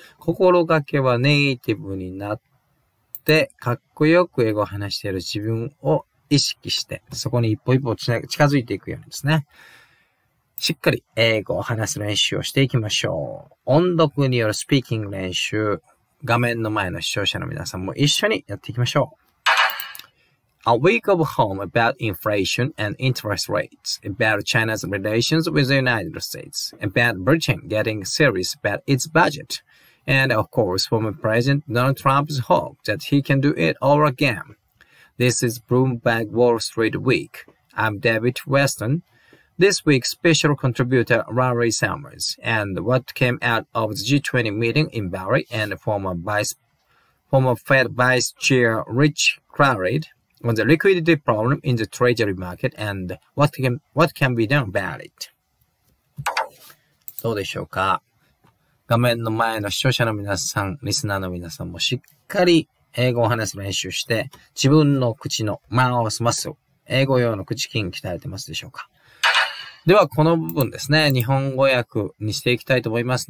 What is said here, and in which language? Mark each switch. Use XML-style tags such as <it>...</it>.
<ja>心がけはネイティブになって、かっこよく英語を話している自分を意識して、そこに一歩一歩近づいていくようにですね。しっかり英語を話す練習をしていきましょう。音読によるスピーキング練習、画面の前の視聴者の皆さんも一緒にやっていきましょう。</ja> <en>A week of home about inflation and interest rates, about China's relations with the United States, about Britain getting serious about its budget, and of course, former President Donald Trump's hope that he can do it all again. This is Bloomberg Wall Street Week. I'm David Westin. This week's special contributor, Larry Summers, and what came out of the G20 meeting in Bali, and former Fed Vice Chair Rich Clarid on the liquidity problem in the treasury market and what can be done about it.</en> <ja>どうでしょうか。画面の前の視聴者の皆さん、リスナーの皆さんもしっかり英語を話す練習して、自分の口のマウスマッスル、英語用の口筋鍛えてますでしょうか。ではこの部分ですね、日本語訳にしていきたいと思います。</ja>